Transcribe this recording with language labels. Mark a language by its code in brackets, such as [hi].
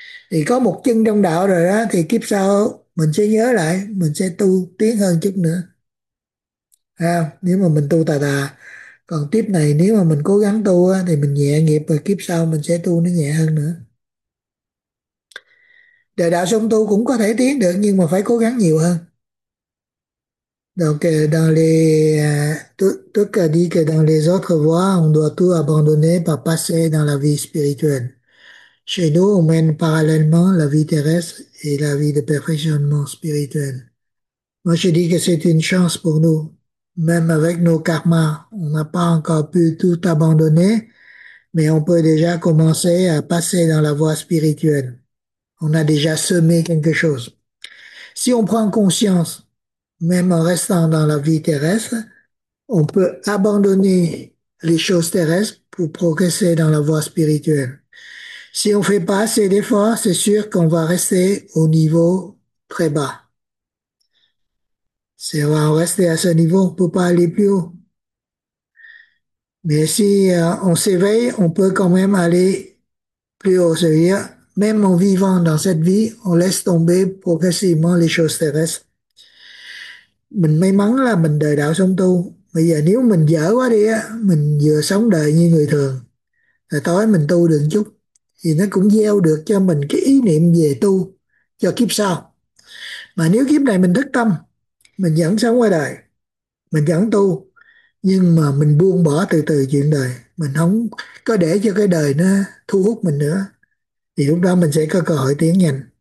[vi] Thì có một chân trong đạo rồi đó, thì kiếp sau mình sẽ nhớ lại, mình sẽ tu tiến hơn chút nữa. Thấy không? Nếu mà mình tu tà tà. Còn tiếp này nếu mà mình cố gắng tu á, thì mình nhẹ nghiệp rồi kiếp sau mình sẽ tu nó nhẹ hơn nữa. Đời đạo song tu cũng có thể tiến được nhưng mà phải cố gắng nhiều hơn. [fr] Donc, dans les, tout cas dit que dans les autres voies, on doit tout abandonner pour passer dans la vie spirituelle. Chez nous, on mène parallèlement la vie terrestre et la vie de perfectionnement spirituel. Moi, je dis que c'est une chance pour nous. Même avec nos karmas, on n'a pas encore pu tout abandonner, mais on peut déjà commencer à passer dans la voie spirituelle. On a déjà semé quelque chose. Si on prend conscience, même en restant dans la vie terrestre, on peut abandonner les choses terrestres pour progresser dans la voie spirituelle. Si on ne fait pas assez d'efforts, c'est sûr qu'on va rester au niveau très bas. Si on va rester à ce niveau, on ne peut pas aller plus haut. Mais si on s'éveille, on peut quand même aller plus haut, c'est-à-dire, même en vivant dans cette vie, on laisse tomber progressivement les choses terrestres. [vi] Mình may mắn là mình đời đạo song tu. Bây giờ nếu mình dở quá đi á, mình vừa sống đời như người thường, rồi tối mình tu được chút, thì nó cũng gieo được cho mình cái ý niệm về tu cho kiếp sau. Mà nếu kiếp này mình thức tâm, mình vẫn sống qua đời, mình vẫn tu, nhưng mà mình buông bỏ từ từ chuyện đời, mình không có để cho cái đời nó thu hút mình nữa, thì lúc đó mình sẽ có cơ hội tiến nhanh.